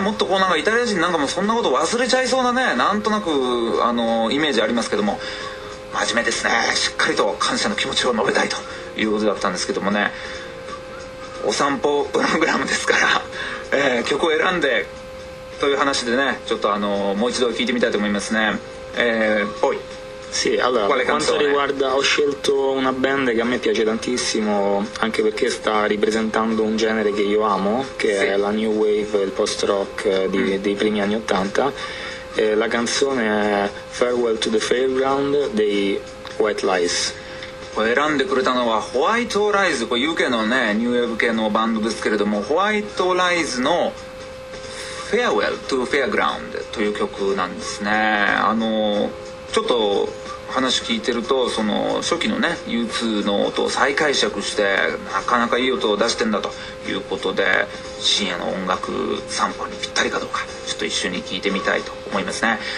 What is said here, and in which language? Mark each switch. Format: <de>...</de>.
<ja>もっとこうなんかイタリア人なんかもそんなこと忘れちゃいそうなね、なんとなくあのイメージありますけども、真面目ですね。しっかりと感謝の気持ちを述べたいということだったんですけどもね、お散歩プログラムですから、曲を選んでという話でね、ちょっともう一度聞いてみたいと思いますね。</ja> <it>ポイ。 Sì, allora, quale canzone? Quanto riguarda, ho scelto una band che a me piace tantissimo, anche perché sta ripresentando un genere che io amo, che sì. è la new wave, il post rock dei primi anni '80. La canzone è Farewell to the Fairground dei White Lies.</it> <ja>選んでくれたのはホワイトライズ、これ UK のねニューウェーブ系のバンドですけれども、ホワイトライズの Farewell to Fairground という曲なんですね。ちょっと話聞いてると、その初期のね U2 の音を再解釈してなかなかいい音を出してんだということで、深夜の音楽散歩にぴったりかどうかちょっと一緒に聞いてみたいと思いますね。</ja>